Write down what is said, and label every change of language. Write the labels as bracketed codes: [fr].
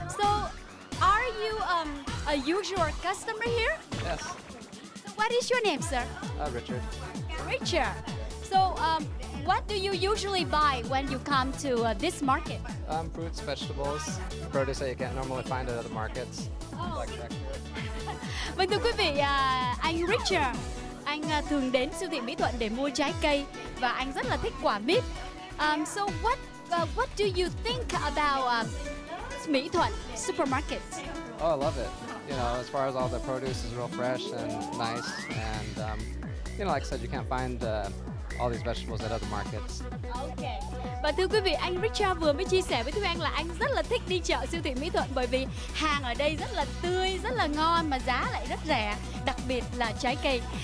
[en] So, are you a usual customer here? Yes. What is your name, sir? Richard. Richard. So, what do you usually buy when you come to this market? Fruits, vegetables, produce that you can't normally find at other markets. Oh. [vi] Vâng thưa quý vị, anh Richard, anh thường đến siêu thị Mỹ Thuận để mua trái cây và anh rất là thích quả mít. [en] So what do you think about Mỹ Thuận supermarket? Oh, I love it. You know, as far as all the produce is real fresh and nice, and you know, like I said, you can't find all these vegetables at other markets. Okay. [vi] Và thưa quý vị, anh Richard vừa mới chia sẻ với Thúy Anh là anh rất là thích đi chợ siêu thị Mỹ Thuận bởi vì hàng ở đây rất là tươi, rất là ngon mà giá lại rất rẻ, đặc biệt là trái cây.